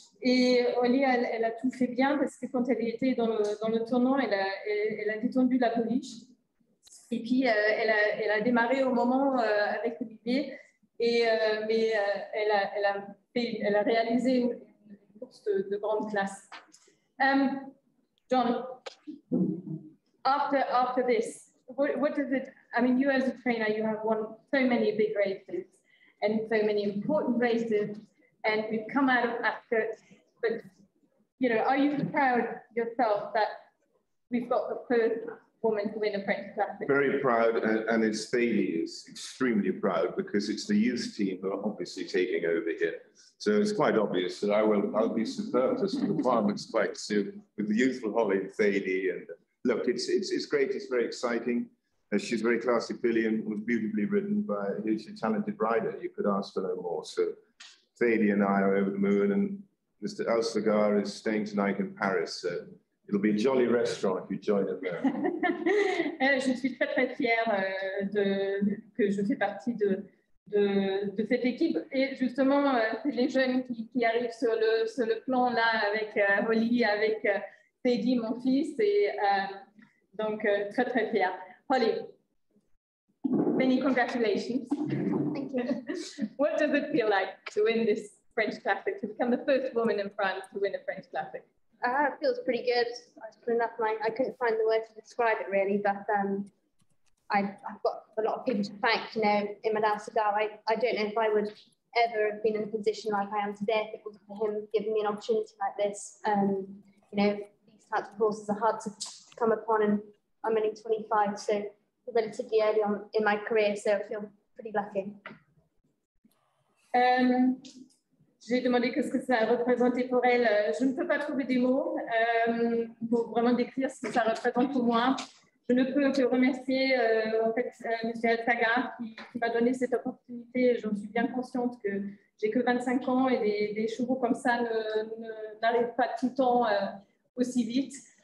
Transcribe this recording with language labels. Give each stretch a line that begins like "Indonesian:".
French: Et Oli, elle a tout fait bien parce que quand elle était dans le tournant, elle a détendu la pouliche. Et puis, elle a démarré au moment avec Olivier. Elle a réalisé une course de grande classe.
English: John, after this, what does it, I mean, you as a trainer, you have won so many big races and so many important races, and we've come out of Ascot, but, you know, are you proud yourself that we've got the first woman to win a French Classic? Very proud, and it's Bailey is extremely proud because it's the youth team who are obviously taking over here. So it's quite obvious that I'll be superfluous to the farmers quite soon with the youthful Holly and Bailey. And look, it's great, it's very exciting. She's a very classy filly and was beautifully ridden by a talented rider. You could ask for no more. So Thady and I are over the moon, and Mr. El Sagar is staying tonight in Paris. So it'll be a jolly restaurant if you join him there.
French: Je suis très, très fière que je fais partie de cette équipe. Et justement, c'est les jeunes qui arrivent sur le plan là avec Holly, avec Teddy, mon fils, et donc très très fière.
English: Holly, many congratulations. Thank you. What does it feel like to win this French Classic, to become the first woman in France to win a French Classic? It feels pretty good. I couldn't find the word to describe it really, but I've got a lot of people to thank, you know, in Madame Sagar. I don't know if I would ever have been in a position like I am today if it wasn't for him giving me an opportunity like this. You know, these types of courses are hard to come upon, and I'm only 25, so relatively early on in my career, so I feel pretty lucky.
French: J'ai demandé qu'est-ce que ça représentait pour elle. Je ne peux pas trouver des mots pour vraiment décrire ce que ça représente pour moi. Je ne peux que remercier M. Altaga qui m'a donné cette opportunité. J'en suis bien consciente que j'ai que 25 ans et des chevaux comme ça n'arrivent pas tout le temps aussi vite.